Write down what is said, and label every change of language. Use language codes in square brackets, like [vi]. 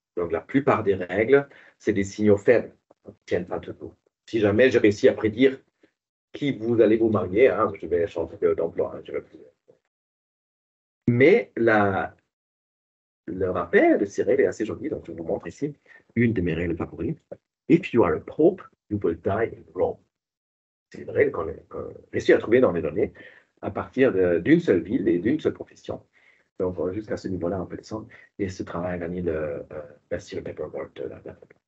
[fr] Donc la plupart des règles, c'est des signaux faibles qui ne tiennent pas debout. Si jamais j'ai réussi à prédire qui vous allez vous marier, hein, je vais changer d'emploi. Hein, Mais le rappel de ces règles est assez joli, donc je vous montre ici une de mes règles favorites. [en] If you are a pope, you will die in Rome. [fr] C'est une règle qu'on réussit à trouver dans les données à partir d'une seule ville et d'une seule profession. Donc jusqu'à ce niveau-là, on peut descendre et ce travail a gagné le Best Year Paperwork de la dernière.